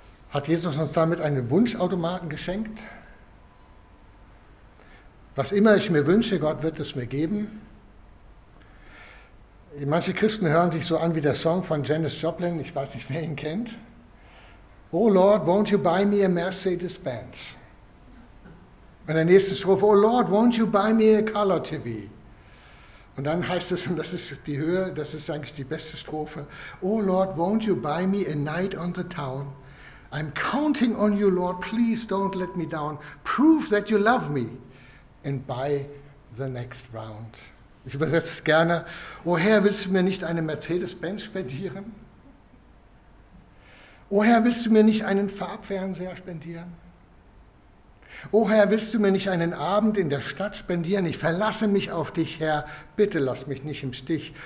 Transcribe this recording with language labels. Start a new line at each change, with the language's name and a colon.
German: Hat Jesus uns damit einen Wunschautomaten geschenkt? Was immer ich mir wünsche, Gott wird es mir geben. Manche Christen hören sich so an wie der Song von Janis Joplin, ich weiß nicht, wer ihn kennt.
English: Oh Lord, won't you buy me a Mercedes-Benz?
German: Und der nächste Strophe,
English: oh Lord, won't you buy me a Color TV?
German: Und dann heißt es, und das ist die Höhe, das ist eigentlich die beste Strophe,
English: oh Lord, won't you buy me a night on the town? I'm counting on you, Lord, please don't let me down. Prove that you love me and buy the next round.
German: Ich übersetze es gerne, oh Herr, willst du mir nicht eine Mercedes-Benz spendieren? O Herr, willst du mir nicht einen Farbfernseher spendieren? O Herr, willst du mir nicht einen Abend in der Stadt spendieren? Ich verlasse mich auf dich, Herr. Bitte lass mich nicht im Stich.